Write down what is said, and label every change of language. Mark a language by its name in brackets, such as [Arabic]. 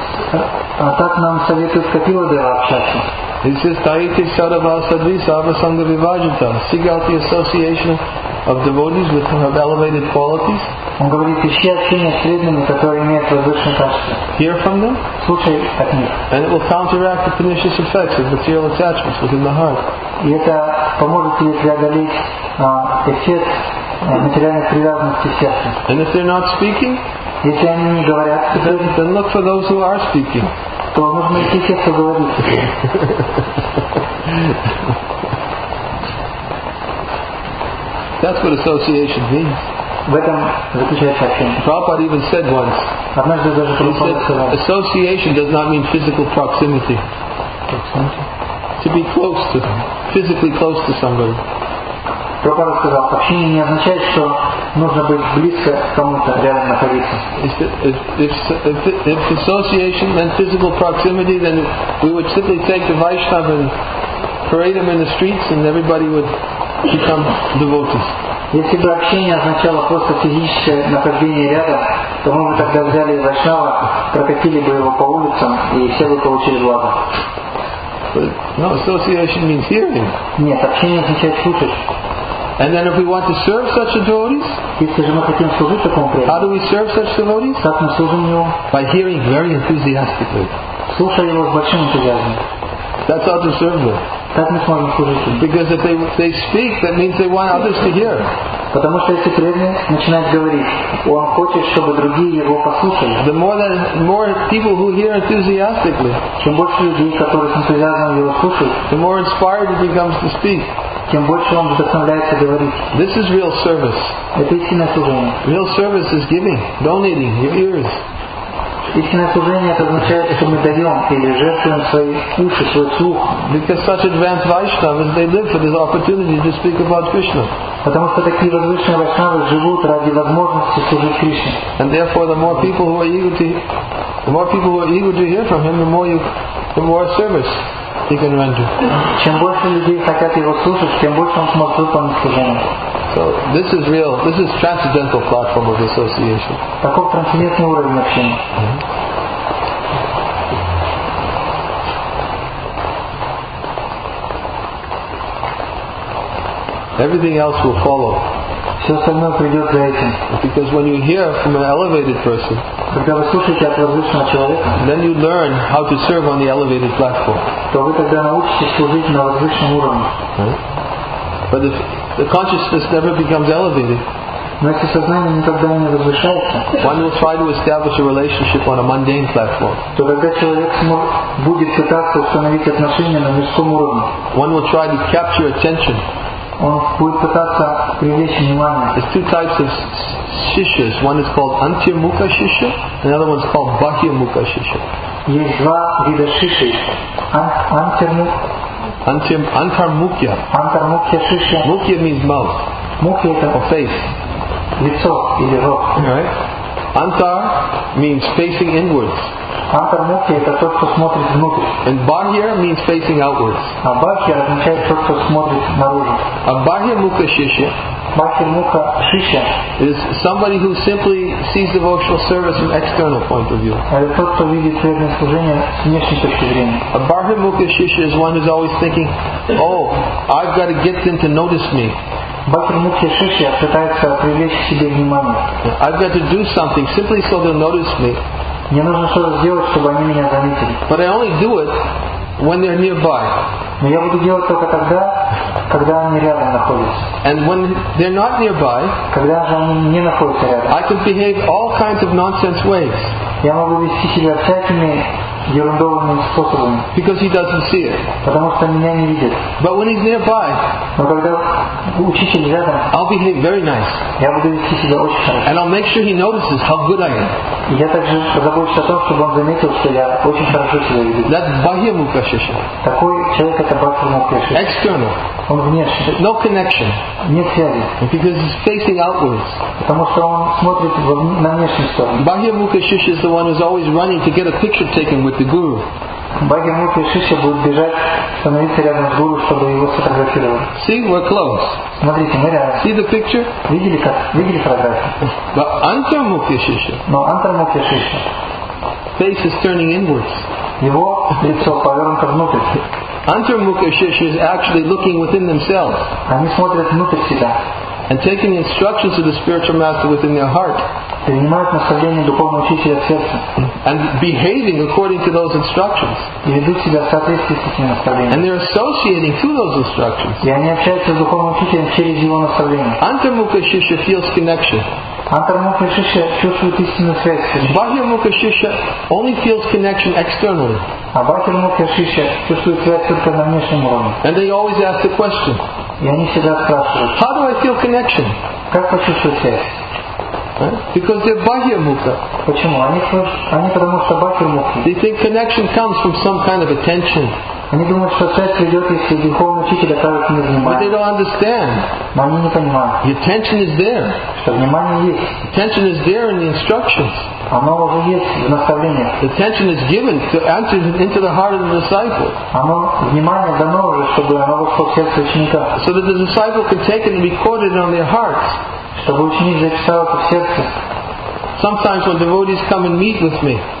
[Russian] Так нам советует Капила Дева общаться. [English] He says, [Sanskrit] Taiti Sarava Sadvi Sarva Sangha Vivajita. [English] Seek out the association of devotees with have elevated qualities. [Russian] Он говорит, ищи общение с преданными, которые имеют возвышенные качества. [English] Hear from them. [Russian] Слушай от них. [English] And it will counteract the pernicious effects of material attachments within the heart. [Russian] И это поможет тебе преодолеть эффект материальной привязанности в сердце. [English] And if they're not speaking, [Russian] если они не говорят, [English] then look for those who are speaking. [Russian] То нужно идти все, кто говорит. [English] That's what association means. [Russian] В этом заключается общение. [English] Prabhupada even said once. [Russian] Однажды даже Прабхупада сказал. [English] Association does not mean physical proximity. Proximity. To be close to them. Physically close to somebody. [Russian] Прабхупада сказал, общение не означает, что нужно быть близко к кому-то, рядом находиться. [English] If association meant physical proximity, then we would simply take the Vaishnava and parade him in the streets and everybody would become devotees. [Russian] Если бы общение означало просто физическое нахождение рядом, то мы бы тогда взяли Вайшнава, прокатили бы его по улицам, и все бы получили благо. [English] No, association means hearing. [Russian] Нет, общение означает слушать. [English] And then if we want to serve such a devotees, [Russian] если же мы хотим служить такому преданному, [English] how do we serve such devotees? [Russian] Как мы служим его? [English] By hearing very enthusiastically. [Russian] Слушая его с большим энтузиазмом. [English] That's how to serve them. Because if they speak, that means they want others to hear. [Russian] Потому что если преданный начинает говорить, он хочет, чтобы другие его послушали. [English] The more people who hear enthusiastically, [Russian] чем больше людей, которые с энтузиазмом его слушают, [English] the more inspired he becomes to speak. [Russian] Тем больше он вдохновляется говорить. [English] This is real service. [Russian] Это истинное служение. [English] Real service is giving, donating your ears. [Russian] Истинное служение это означает, что мы даем или жертвуем свои уши, свой слух. [English] Because such advanced Vaishnavas, they live for this opportunity to speak about Krishna. [Russian] Потому что такие возвышенные Вайшнавы живут ради возможности служить Кришне. [English] And therefore, the more people who are eager to hear from him, the more service he can render. [Russian] Чем больше людей хотят его слушать, тем больше он сможет выполнить служение. [English] So this is real. This is transcendental platform of association. [Russian] Таков трансцендентный уровень общения. [English] Everything else will follow. [Russian] Все остальное придет за этим. [English] Because when you hear from an elevated person, [Russian] когда вы слушаете от возвышенного человека, [English] then you learn how to serve on the elevated platform. [Russian] То вы тогда научитесь служить на возвышенном уровне. [English] But if the consciousness never becomes elevated, [Russian] но если сознание никогда не возвышается, [English] one will try to establish a relationship on a mundane platform. [Russian] То тогда человек будет пытаться установить отношения на мирском уровне. [English] One will try to capture attention. [Russian] Он будет пытаться привлечь внимание. [English] There's two types of shishyas. One is called antyamukha shishya, and the other one is called bahyamukha shishya. [Russian] Есть два вида шиши. [Sanskrit] Antarmukhya. Antarmukhya shishya. [English] Mukhya means mouth. [Russian] Mukhya это [English] or face. [Russian] Лицо или рот. [English] Right. Antar means facing inwards. [Russian] Antarmukhya это тот, кто смотрит внутрь. [English] And bahya means facing outwards. [Russian] А bahya означает тот, кто смотрит наружу. [Sanskrit] A bahyamukha shishya. Bahyamukha shishya. [English] Is somebody who simply sees devotional service from an external point of view. [Russian] Это тот, кто видит преданное служение с внешней точки зрения. [English] A bahyamukha shishya is one who's always thinking, oh, I've got to get them to notice me. [Russian] Бахтамукхи Шишья пытается привлечь к себе внимание. [English] I've got to do something simply so they'll notice me. [Russian] Мне нужно что-то сделать, чтобы они меня заметили. [English] But I only do it when they're nearby. [Russian] Но я буду делать только тогда, когда они рядом находятся. [English] And when they're not nearby, [Russian] когда же они не находятся рядом, [English] I can behave all kinds of nonsense ways. [Russian] Я могу вести себя всякими ерундовыми способами. [English] Because he doesn't see it. [Russian] Потому что меня не видит. [English] But when he's nearby, [Russian] но когда учитель рядом, [English] I'll behave very nice. [Russian] Я буду вести себя очень хорошо. [English] And I'll make sure he notices how good I am. [Russian] Я также забочусь о том, чтобы он заметил, что я очень хорошо себя веду. [English] That's bahyamukha shishya. [Russian] Такой человек это bahyamukha shishya. [English] External. [Russian] Он внешний. [English] No connection. [Russian] Нет связи. [English] Because he's facing outwards. [Russian] Потому что он смотрит на внешнюю сторону. [English] Bahyamukha shishya is the one who's always running to get a picture taken with the guru. [Russian] Bahyamukha shishya будет бежать, становиться рядом с гуру, чтобы его сфотографировать. [English] See, we're close. [Russian] Смотрите, мы рядом. [English] See the picture? [Russian] Видели как? Видели фотографию? [English] But antarmukha shishya. [Russian] Но antarmukha shishya. [English] Face is turning inwards. [Russian] Его лицо повернуто внутрь. [English] Antarmukha shishya is actually looking within themselves. [Russian] Они смотрят внутрь себя. [English] And taking the instructions of the spiritual master within their heart. [Russian] Принимают наставления духовного учителя от сердца. [English] And behaving according to those instructions. [Russian] И ведут себя в соответствии с этими наставлениями. [English] And they're associating through those instructions. [Russian] И они общаются с духовным учителем через его наставления. [English] Antarmukha shishya feels connection. [Russian] Antarmukha shishya чувствует истинную связь. [English] Bahyamukha shishya only feels connection externally. [Russian] А Bahyamukha shishya чувствует связь только на внешнем уровне. [English] And they always ask the question. [Russian] И они всегда спрашивают. [English] How do I feel connection? [Russian] Как почувствовать связь? [English] Because they're bahyamukha. [Russian] Почему? Они потому что bahyamukha. [English] They think connection comes from some kind of attention. [Russian] Они думают, что связь придет, если духовный учитель окажет мне внимание. [English] But they don't understand. [Russian] Но они не понимают. [English] The attention is there. [Russian] Что внимание есть. [English] The attention is there in the instructions. [Russian] Оно уже есть в наставлениях. [English] The attention is given to enter into the heart of the disciple. [Russian] Оно внимание дано уже, чтобы оно вошло в сердце ученика. [English] So that the disciple can take it and record it on their hearts. [Russian] Чтобы ученик записал это в сердце. [English] Sometimes when devotees come and meet with me,